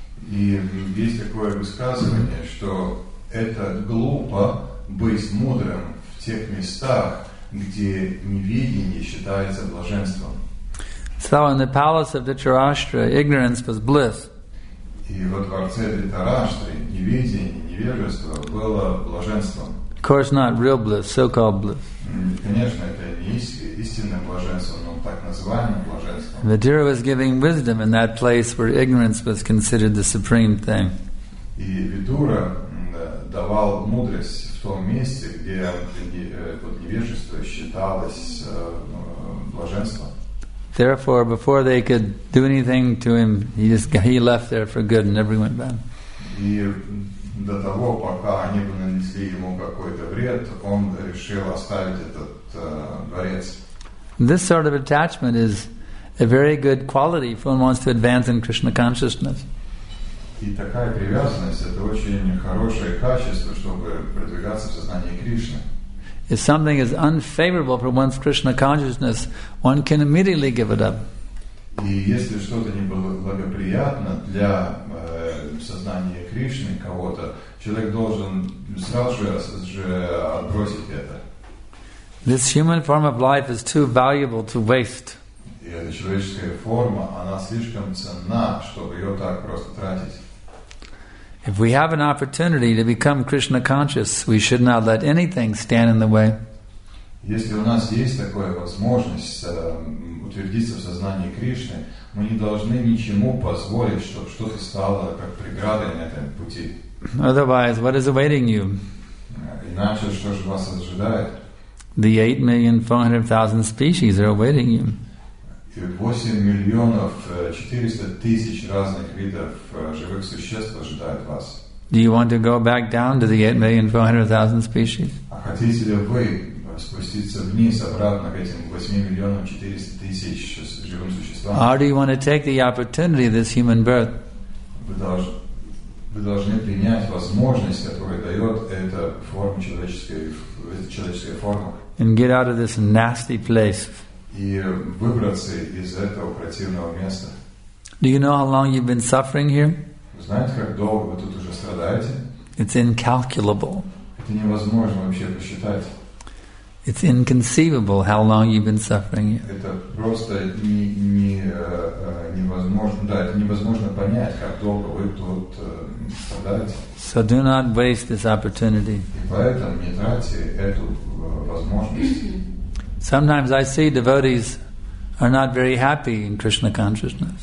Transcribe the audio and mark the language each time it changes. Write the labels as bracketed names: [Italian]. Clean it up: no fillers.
[Russian] И есть такое высказывание, что это глупо быть мудрым в тех местах, где неведение считается блаженством. [English] So in the palace of Dhritarashtra, ignorance was bliss. [Russian] И во дворце Дхритараштры неведение, невежество было блаженством. [English] Of course not real bliss, so-called bliss. [Russian] Конечно, это не истинное блаженство, но так называемое блаженство. [English] Vidura was giving wisdom in that place where ignorance was considered the supreme thing. [Russian] И Vidura давал мудрость в том месте, где вот невежество считалось блаженством. [English] Therefore, before they could do anything to him, he left there for good and everyone went back. [Russian] И до того, пока они бы нанесли ему какой-то вред, он решил оставить этот дворец. [English] This sort of attachment is a very good quality if one wants to advance in Krishna consciousness. [Russian] И такая привязанность — это очень хорошее качество, чтобы продвигаться в сознании Кришны. [English] If something is unfavorable for one's Krishna consciousness, one can immediately give it up. [Russian] И если что-то неблагоприятно для сознания Кришны кого-то, человек должен сразу же отбросить это. [English] This human form of life is too valuable to waste. [Russian] И эта человеческая форма, она слишком ценна, чтобы ее так просто тратить. [English] If we have an opportunity to become Krishna conscious, we should not let anything stand in the way. [Russian] Если у нас есть такая возможность утвердиться в сознании Кришны, мы не должны ничему позволить, чтобы что-то стало как преградой на этом пути. [English] Otherwise, what is awaiting you? [Russian] Иначе что же вас ожидает? [English] The 8,400,000 species are awaiting you. [Russian] 8,400,000 разных видов живых существ ожидают вас. [English] Do you want to go back down to the 8,400,000 species? [Russian] А хотите ли вы спуститься вниз обратно к этим 8,400,000 живым существам? [English] Or do you want to take the opportunity of this human birth? [Russian] Вы должны принять возможность, которую дает эта форма человеческая форма. [English] And get out of this nasty place. [Russian] И выбраться из этого противного места. [English] Do you know how long you've been suffering here? [Russian] Знаете, как долго вы тут уже страдаете? [English] It's incalculable. [Russian] Это невозможно вообще посчитать. [English] It's inconceivable how long you've been suffering here. [Russian] Это просто невозможно. Да, это невозможно понять, как долго вы тут страдаете. [English] So do not waste this opportunity. [Russian] И поэтому не тратьте эту возможность. [English] Sometimes I see devotees are not very happy in Krishna consciousness.